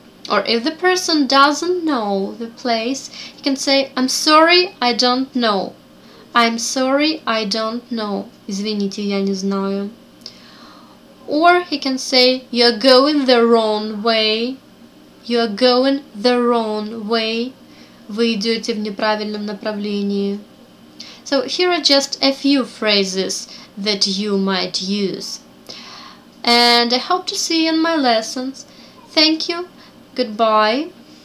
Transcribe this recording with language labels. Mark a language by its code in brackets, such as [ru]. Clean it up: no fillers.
[en] Or if the person doesn't know the place, he can say: I'm sorry, I don't know. I'm sorry, I don't know. [ru] Извините, я не знаю. [en] Or he can say: you're going the wrong way. You're going the wrong way. [ru] Вы идете в неправильном направлении. [en] So here are just a few phrases that you might use. And I hope to see you in my lessons. Thank you. Goodbye.